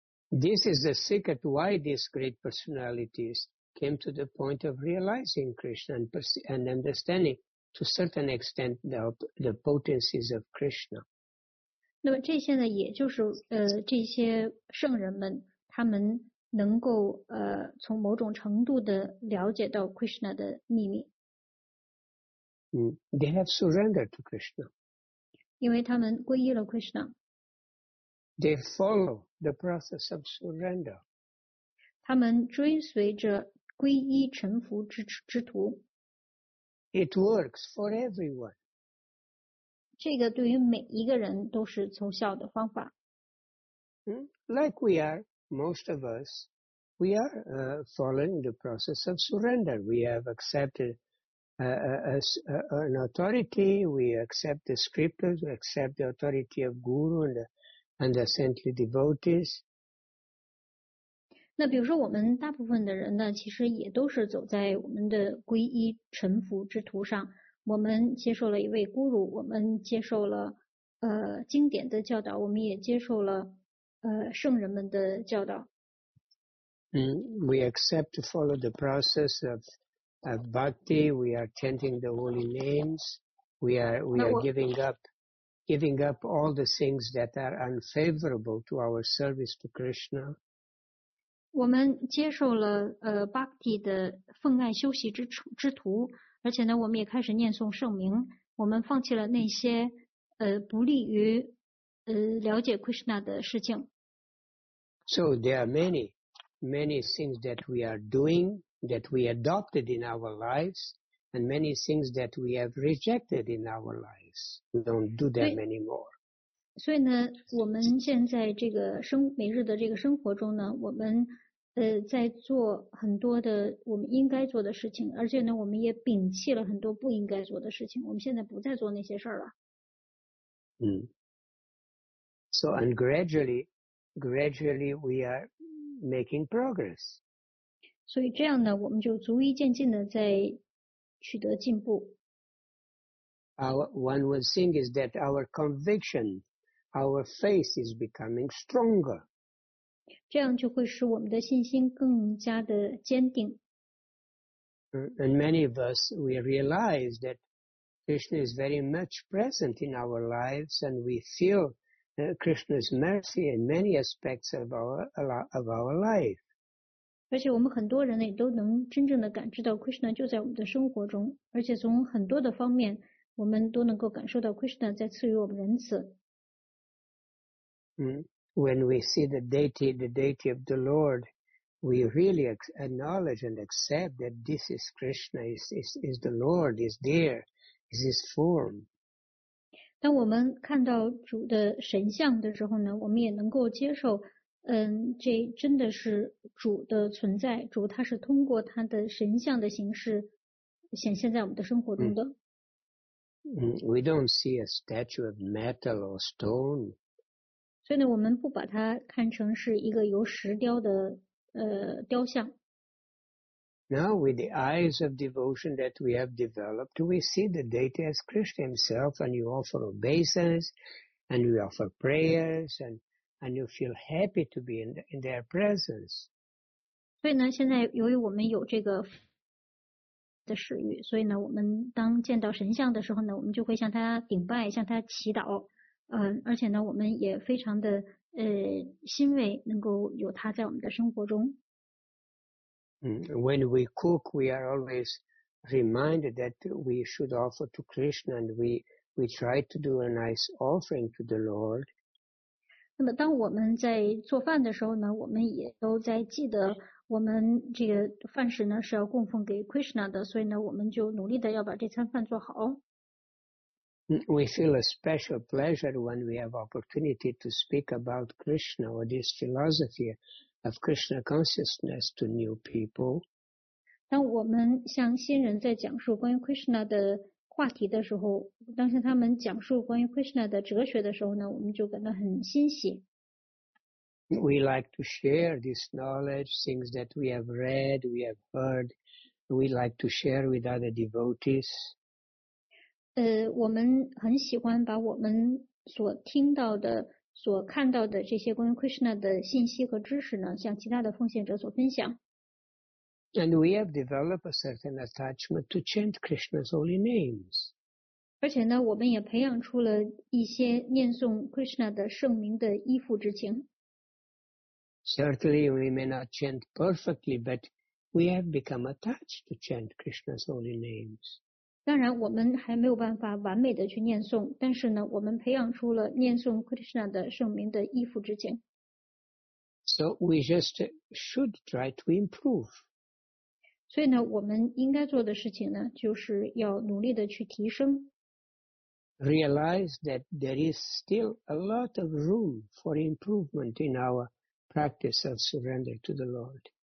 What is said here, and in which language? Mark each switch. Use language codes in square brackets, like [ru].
[en] This is the secret why these great personalities came to the point of realizing Krishna and understanding to certain extent the potencies of Krishna. [zh] 那么这些呢，也就是这些圣人们，他们能够从某种程度的了解到 Krishna 的秘密。 [en] 嗯 ，They have surrendered to Krishna. [zh] 因为他们皈依了 Krishna. [en] They follow the process of surrender. [zh] 他们追随着皈依臣服之途。 [en] It works for everyone. [zh] 这个对于每一个人都是奏效的方法。 [en] Like we are, most of us, we are following the process of surrender. We have accepted an authority, we accept the scriptures, we accept the authority of Guru and the saintly devotees. [zh] 那比如说我们大部分的人呢，其实也都是走在我们的皈依臣服之途上。我们接受了一位孤儒，我们接受了经典的教导，我们也接受了圣人们的教导。 [en] We accept to follow the process of bhakti. We are chanting the holy names. We are giving up all the things that are unfavorable to our service to Krishna. [zh] 我们接受了bhakti 的奉爱修习之途。而且呢，我们也开始念诵圣名，我们放弃了那些不利于了解 Krishna 的事情。 [en] So there are many, many things that we are doing that we adopted in our lives, and many things that we have rejected in our lives. We don't do them anymore. [zh] 所以呢，我们现在这个每日的这个生活中呢，我们在做很多的我们应该做的事情，而且呢，我们也摒弃了很多不应该做的事情。我们现在不再做那些事儿了。 [en] So and gradually we are making progress. [zh] 所以这样呢，我们就逐一渐进的在取得进步。 [en] One would think is that our conviction, our faith is becoming stronger. [zh] 这样就会使我们的信心更加的坚定。 [en] And many of us, we realize that Krishna is very much present in our lives, and we feel Krishna's mercy in many aspects of our life. [zh] 而且我们很多人也都能真正的感知到 Krishna 就在我们的生活中，而且从很多的方面，我们都能够感受到 Krishna 在赐予我们仁慈。 [en] When we see the deity of the Lord, we really acknowledge and accept that this is Krishna, is the Lord, is there, is His form. [zh] 当我们看到主的神像的时候呢，我们也能够接受，这真的是主的存在。主他是通过他的神像的形式显现在我们的生活中的。 [en] We don't see a statue of metal or stone. [zh] 所以呢，我们不把它看成是一个由石雕的雕像。 [en] Now with the eyes of devotion that we have developed, we see the deity as Krishna himself, and you offer obeisance, and you offer prayers, and you feel happy to be in their presence. [zh] 所以呢，现在由于我们有这个的食欲，所以呢，我们当见到神像的时候呢，我们就会向他顶拜，向他祈祷。而且呢，我们也非常的欣慰能够有他在我们的生活中。 [en] When we cook, we are always reminded that we should offer to Krishna, and we try to do a nice offering to the Lord. [zh] 那么当我们在做饭的时候呢，我们也都在记得我们这个饭食呢是要供奉给 Krishna 的，所以呢，我们就努力的要把这餐饭做好。 [en] We feel a special pleasure when we have opportunity to speak about Krishna or this philosophy of Krishna consciousness to new people. [zh] 当我们向新人在讲述关于 Krishna 的话题的时候，当向他们讲述关于 Krishna 的哲学的时候呢，我们就感到很欣喜。 [en] We like to share this knowledge, things that we have read, we have heard. We like to share with other devotees. [zh] 我们很喜欢把我们所听到的、所看到的这些关于 Krishna 的信息和知识呢，向其他的奉献者所分享。 [en] And we have developed a certain attachment to chant Krishna's holy names. [zh] 而且呢，我们也培养出了一些念诵 Krishna 的圣名的依附之情。 [en] Certainly, we may not chant perfectly, but we have become attached to chant Krishna's holy names. [zh] 当然，我们还没有办法完美的去念诵，但是呢，我们培养出了念诵 Krishna 的圣名的依附之情。 [en] So we just should try to improve. [zh] 所以呢，我们应该做的事情呢，就是要努力的去提升。 [en] Realize that there is still a lot of room for improvement in our practice of surrender to the Lord.